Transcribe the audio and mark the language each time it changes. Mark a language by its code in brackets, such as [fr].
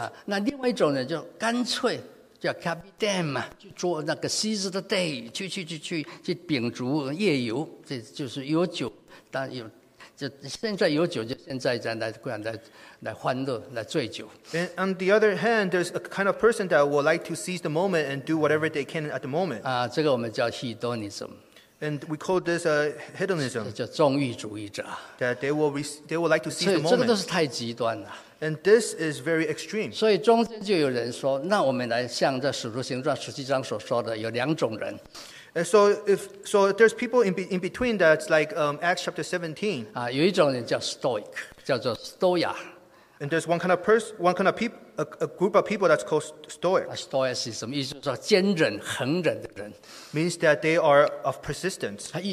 [zh] 啊, 那另外一种人就干脆叫 [la] carpe diem, [zh] 去做那个 [en] seize the day, [zh] 去秉烛夜游, 这就是有酒, 但有, 就现在有酒就现在在那来欢乐, 来醉酒。 [en] And on the other hand, there's a kind of person that would like to seize the moment and do whatever they can at the moment. [zh] 啊, 这个我们叫 hedonism. [en] And we call this a hedonism. [zh] 叫纵欲主义者, [en] that they will like to see the moment. [zh] 这个都是太极端了, [en] and this is very extreme. [zh] 所以中间就有人说, 那我们来像这使徒行传17章所说的, 有两种人。 [en] And so there's people in between that's like Acts chapter 17. [zh] 啊, 有一种人叫 stoic, 叫做 stoia. [en] And there's a group of people that's called Stoic. [zh] Stoicism 意思说坚忍恒忍的人, [en] means that they are of persistence.